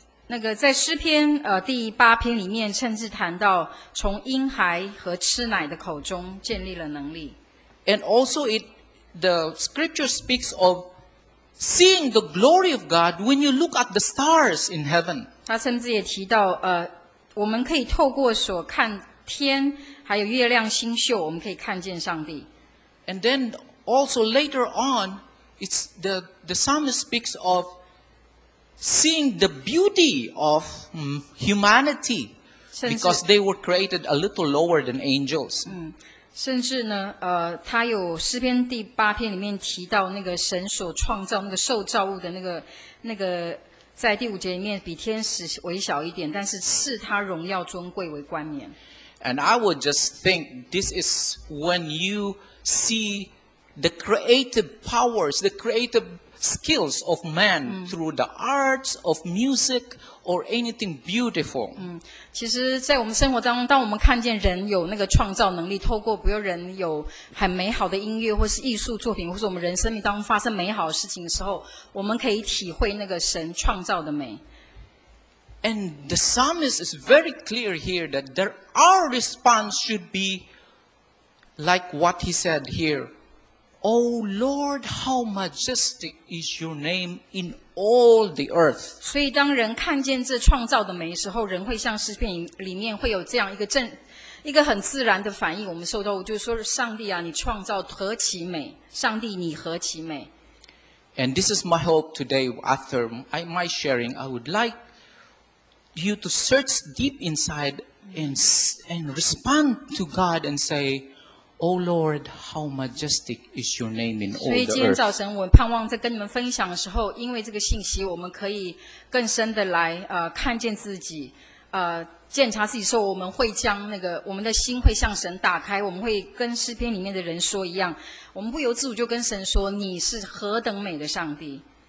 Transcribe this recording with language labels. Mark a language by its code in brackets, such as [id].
[zh] 那个在诗篇第八篇里面甚至谈到从婴孩和吃奶的口中建立了能力。 [en] And also the scripture speaks of seeing the glory of God when you look at the stars in heaven. [zh] 他甚至也提到我们可以透过所看天还有月亮星宿，我们可以看见上帝。 [en] And then also later on, it's the psalmist speaks of seeing the beauty of humanity because they were created a little lower than angels. [zh] 甚至呢他有诗篇第八篇里面提到那个神所创造那个受造物的那个在第五节里面比天使微小一点，但是赐他荣耀尊贵为冠冕。 [en] And I would just think this is when you see the creative powers, the creative skills of man through the arts of music or anything beautiful. [zh] 其实在我们生活当中，当我们看见人有那个创造能力，透过比如人有很美好的音乐或是艺术作品，或是我们人生命当中发生美好的事情的时候，我们可以体会那个神创造的美。 [en] And the psalmist is very clear here that our response should be like what he said here. O Lord, how majestic is your name in all the earth. [zh] 所以当人看见这创造的美的时候，人会像诗篇里面会有这样一个很自然的反应，我们受到就是说，上帝啊，你创造何其美，上帝你何其美。 [en] And this is my hope today after my sharing, I would like you to search deep inside and respond to God and say, O Lord, how majestic is your name in all the earth. [zh] 所以今天早晨我盼望在跟你们分享的时候，因为这个信息我们可以更深的来看见自己，检查自己，说我们会将那个我们的心会向神打开，我们会跟诗篇里面的人说一样，我们不由自主就跟神说，你是何等美的上帝。